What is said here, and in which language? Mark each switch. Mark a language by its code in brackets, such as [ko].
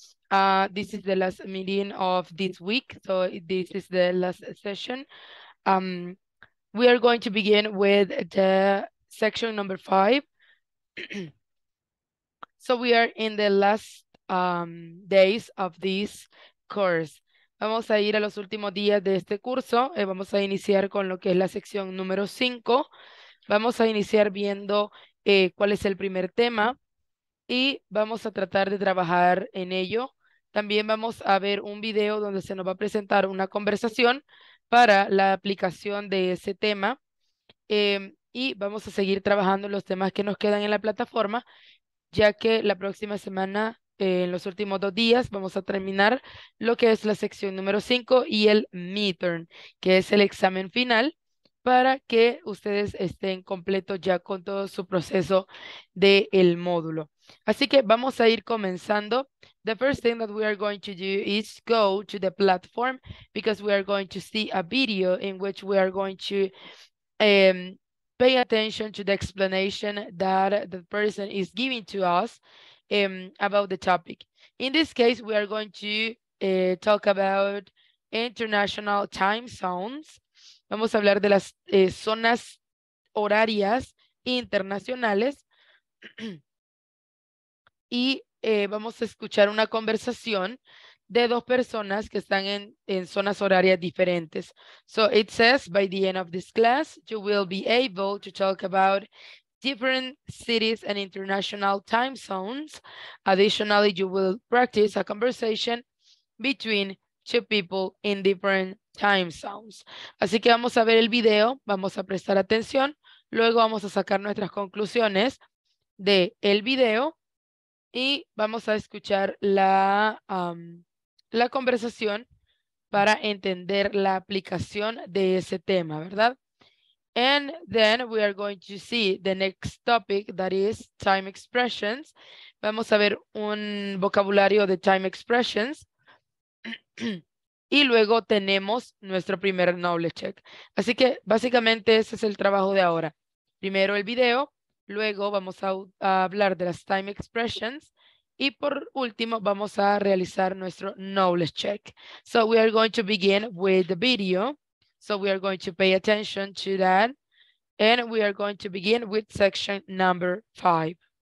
[en] This is the last meeting of this week, so this is the last session. We are going to begin with the section number 5. So we are in the last days of this course. [es] Vamos a ir a los últimos días de este curso. Vamos a iniciar con lo que es la sección número 5. Vamos a iniciar viendo cuál es el primer tema y vamos a tratar de trabajar en ello. También vamos a ver un video donde se nos va a presentar una conversación para la aplicación de ese tema y vamos a seguir trabajando los temas que nos quedan en la plataforma, ya que la próxima semana, en los últimos dos días, vamos a terminar lo que es la sección número 5 y el midterm, que es el examen final, para que ustedes estén completos ya con todo su proceso del módulo. Así que vamos a ir comenzando. [en] The first thing that we are going to do is go to the platform because we are going to see a video in which we are going to pay attention to the explanation that the person is giving to us about the topic. In this case, we are going to talk about international time zones. [es] Vamos a hablar de las zonas horarias internacionales y vamos a escuchar una conversación de dos personas que están en zonas horarias diferentes. [en] So it says, by the end of this class, you will be able to talk about different cities and international time zones. Additionally, you will practice a conversation between two people in different time zones. [es] Así que vamos a ver el video, vamos a prestar atención, luego vamos a sacar nuestras conclusiones de el video y vamos a escuchar la la conversación para entender la aplicación de ese tema, ¿verdad? [en] And then we are going to see the next topic, that is time expressions. [es] Vamos a ver un vocabulario de [en] time expressions. [es] Y luego tenemos nuestro primer [en] knowledge check. [es] Así que básicamente ese es el trabajo de ahora. Primero el video, luego vamos a hablar de las [en] time expressions [es] y por último vamos a realizar nuestro [en] knowledge check. So we are going to begin with the video. So we are going to pay attention to that and we are going to begin with section number 5.